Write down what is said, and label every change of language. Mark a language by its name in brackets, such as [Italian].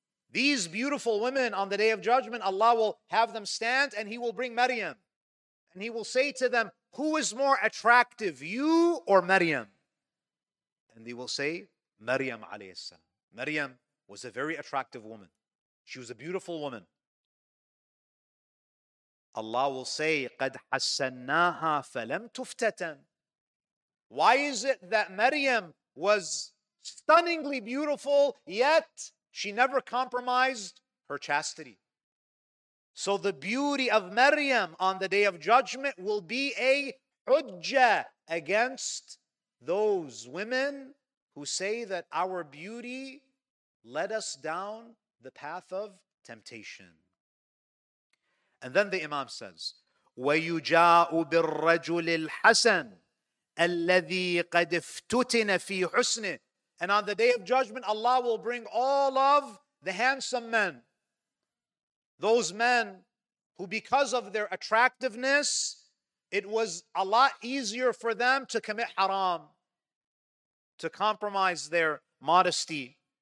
[English] These beautiful women on the day of judgment, Allah will have them stand and he will bring Maryam. And he will say to them, who is more attractive, you or Maryam? And they will say, Maryam alayhi salam. Maryam was a very attractive woman. She was a beautiful woman. Allah will say, [Arabic] قَدْ حَسَّنَّاهَا فَلَمْ تُفْتَتَنْ. [English] Why is it that Maryam was stunningly beautiful, yet she never compromised her chastity? So the beauty of Maryam on the day of judgment will be a hujjah against those women who say that our beauty led us down the path of temptation. And then the Imam says, [Arabic] وَيُجَاءُ بِالرَّجُلِ الْحَسَنِ الَّذِي قَدْ افْتُتِنَ فِي حُسْنِ. [English] And on the day of judgment, Allah will bring all of the handsome men, those men who, because of their attractiveness, it was a lot easier for them to commit haram, to compromise their modesty.